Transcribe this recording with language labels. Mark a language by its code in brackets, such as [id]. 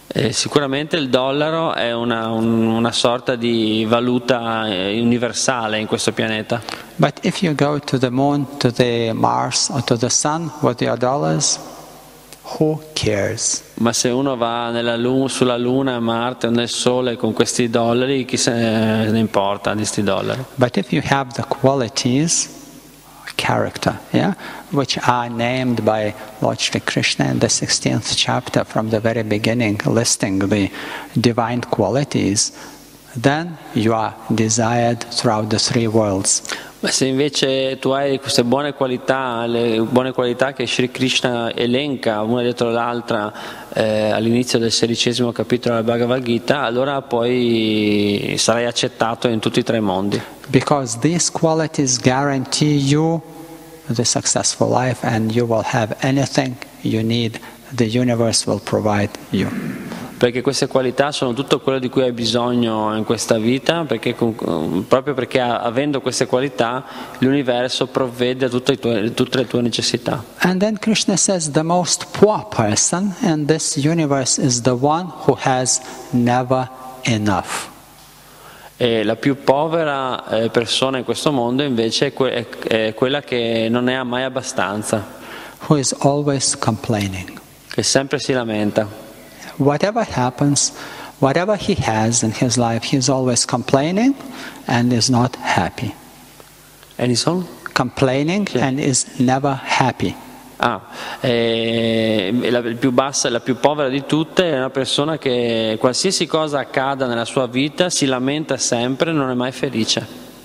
[it] Sicuramente il dollaro è una sorta di valuta universale in questo pianeta. [en] But if you go to the moon, to the Mars or to the sun with your dollars, who cares? [it] Ma se uno va sulla luna, a Marte o nel sole con questi dollari, chi se ne importa di questi dollari? [en] But if you have the qualities, character, yeah, which are named by Lord Shri Krishna in the 16th chapter from the very beginning, listing the divine qualities, then you are desired throughout the three worlds. [it] Ma se invece tu hai queste buone qualità, le buone qualità che Shri Krishna elenca una dietro l'altra all'inizio del 16° capitolo della Bhagavad Gita, allora poi sarai accettato in tutti i tre mondi. [en] Because these qualities guarantee you the successful life and you will have anything you need, the universe will provide you. [it] Perché queste qualità sono tutto quello di cui hai bisogno in questa vita, perché proprio perché avendo queste qualità l'universo provvede a tutte le tue necessità. [en] And then Krishna says the most poor person in this universe is the one who has never enough. [it] E la più povera persona in questo mondo invece è quella che non ne ha mai abbastanza. [en] Who is always complaining. [it] Che sempre si lamenta. [en] Whatever happens, whatever he has in his life, he's always complaining and is not happy. Any song? Complaining, yeah. And is never happy. [it] Ah, la più povera di tutte è una persona che qualsiasi cosa accada nella sua vita si lamenta sempre, non è mai felice.